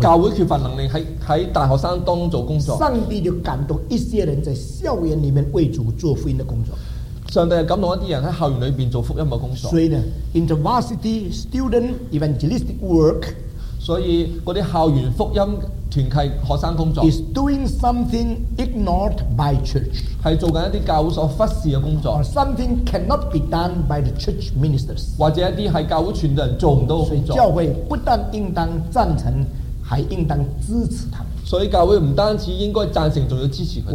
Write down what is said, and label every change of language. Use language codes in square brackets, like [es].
[zh] 教会缺乏能力，在大学生当中做工作，上帝就感动一些人在校园里面为主做福音的工作，上帝感动一些人在校园里面做福音的工作。所以呢 [en] InterVarsity student evangelistic work， [zh] 所以那些校园福音团契学生工作 [en] is doing something ignored by church， [zh] 是做一些教会所忽视的工作， [en] or something cannot be done by the church ministers， [zh] 或者一些是教会传道人做不到的工作。教会不但应当赞成，还应当支持他们。所以教会不单止应该赞成，还要支持他们。